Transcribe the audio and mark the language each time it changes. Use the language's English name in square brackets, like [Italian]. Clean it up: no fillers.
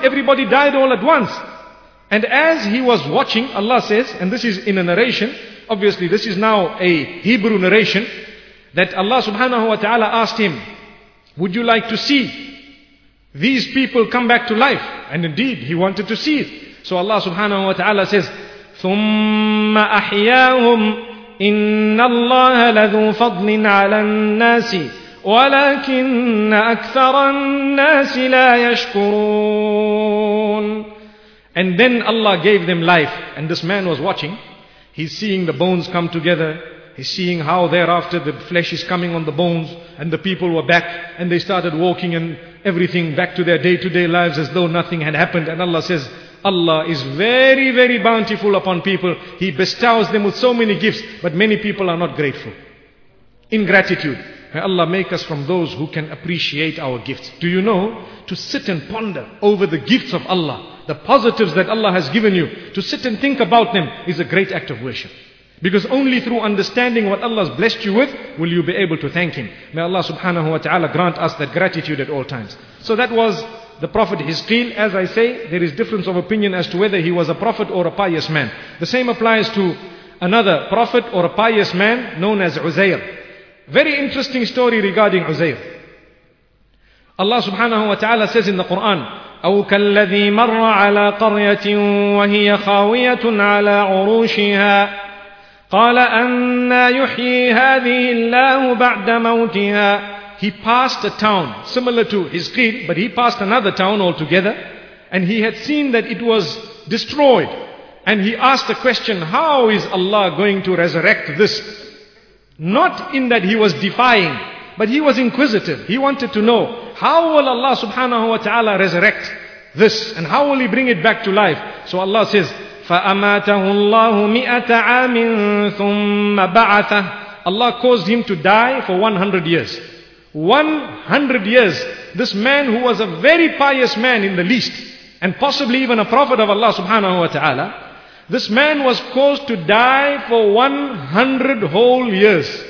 [English] Everybody died all at once. And as he was watching, Allah says, and this is in a narration, obviously this is now a Hebrew narration, that Allah subhanahu wa ta'ala asked him, would you like to see these people come back to life? And indeed, he wanted to see it. So Allah subhanahu wa ta'ala says, [Arabic] ثُمَّ أَحْيَاهُمْ إِنَّ اللَّهَ لَذُو فَضْلٍ عَلَى النَّاسِ ولكن أكثر الناس لا يشكرون. [English] And then Allah gave them life, and this man was watching. He's seeing the bones come together. He's seeing how thereafter the flesh is coming on the bones, and the people were back, and they started walking and everything back to their day-to-day lives as though nothing had happened. And Allah says, Allah is very, very bountiful upon people. He bestows them with so many gifts, but many people are not grateful. Ingratitude. May Allah make us from those who can appreciate our gifts. Do you know, to sit and ponder over the gifts of Allah, the positives that Allah has given you, to sit and think about them is a great act of worship. Because only through understanding what Allah has blessed you with will you be able to thank Him. May Allah subhanahu wa ta'ala grant us that gratitude at all times. So that was the Prophet Hizqeel. As I say, there is difference of opinion as to whether he was a prophet or a pious man. The same applies to another prophet or a pious man known as Uzair. Very interesting story regarding Uzair. Allah subhanahu wa ta'ala says in the Quran, [Arabic] أو كالذي مر على قرية وهي خاوية على عروشها قال أنا يحيي هذه الله بعد موتها. [English] He passed a town similar to Hizqeel, but he passed another town altogether, and he had seen that it was destroyed, and he asked the question, how is Allah going to resurrect this? Not in that he was defying, but he was inquisitive. He wanted to know, how will Allah subhanahu wa ta'ala resurrect this? And how will He bring it back to life? So Allah says, [Arabic] فَأَمَاتَهُ اللَّهُ مِئَةَ عَامٍ ثُمَّ بَعَثَهُ. [English] Allah caused him to die for 100 years. 100 years. This man who was a very pious man in the least, and possibly even a prophet of Allah subhanahu wa ta'ala, this man was caused to die for 100 whole years.